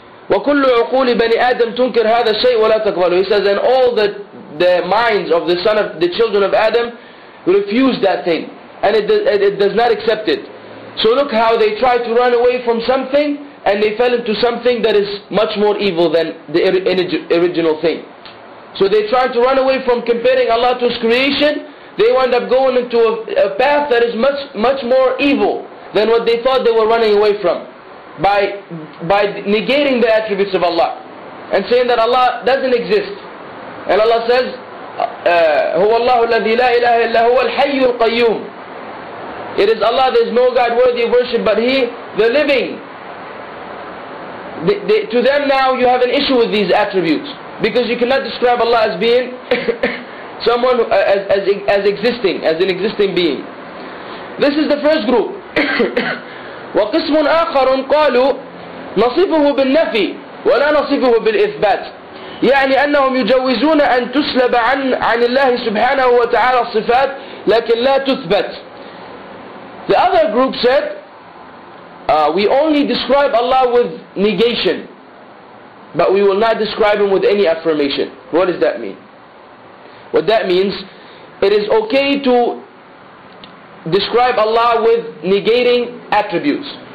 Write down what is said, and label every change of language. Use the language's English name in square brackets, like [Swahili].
[Arabic] وكل عقول بني آدم تنكر هذا الشيء ولا تقبله. [English] He says, and all the minds of the son of the children of Adam refuse that thing, and it does not accept it. So look how they try to run away from something, and they fell into something that is much more evil than the original thing. So they try to run away from comparing Allah to His creation. They wind up going into a path that is much much more evil than what they thought they were running away from, by negating the attributes of Allah and saying that Allah doesn't exist. And Allah says, [Arabic] هو الله الذي لا إله إلا هو الحي القيوم. [English] It is Allah, there is no God worthy of worship but He, the living. To them now you have an issue with these attributes, because you cannot describe Allah as being someone as existing, as an existing being. This is the first group. [Arabic] وقسم آخر قالوا نصفه بالنفي ولا نصفه بالإثبات, يعني أنهم يجوزون أن تسلب عن الله سبحانه وتعالى الصفات لكن لا تثبت. [English] The other group said, we only describe Allah with negation, but we will not describe Him with any affirmation. What does that mean? What that means, it is okay to describe Allah with negating attributes.